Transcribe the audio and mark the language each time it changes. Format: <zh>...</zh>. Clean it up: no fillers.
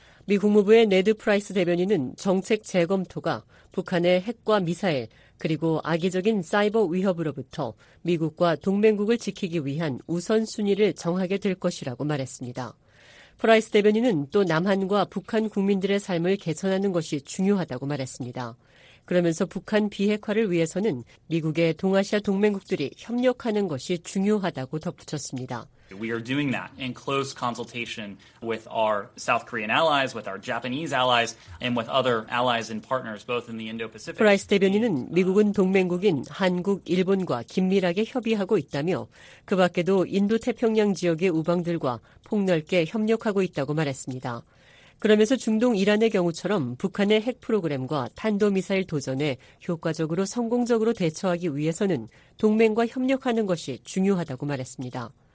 <ko>미 국무부의 네드 프라이스 대변인은 정책 재검토가 북한의 핵과 미사일 그리고 악의적인 사이버 위협으로부터 미국과 동맹국을 지키기 위한 우선순위를 정하게 될 것이라고 말했습니다. 프라이스 대변인은 또 남한과 북한 국민들의 삶을 개선하는 것이 중요하다고 말했습니다. 그러면서 북한 비핵화를 위해서는 미국의 동아시아 동맹국들이 협력하는 것이 중요하다고 덧붙였습니다.</ko> <en>We are doing that in close consultation with our South Korean allies, with our Japanese allies, and with other allies and partners, both in the Indo-Pacific.</en> <ko>프라이스 대변인은 미국은 동맹국인 한국, 일본과 긴밀하게 협의하고 있다며 그 밖에도 인도태평양 지역의 우방들과 폭넓게 협력하고 있다고 말했습니다. 그러면서 중동 이란의 경우처럼 북한의 핵 프로그램과 탄도미사일 도전에 효과적으로 성공적으로 대처하기 위해서는 동맹과 협력하는 것이 중요하다고 말했습니다.</ko>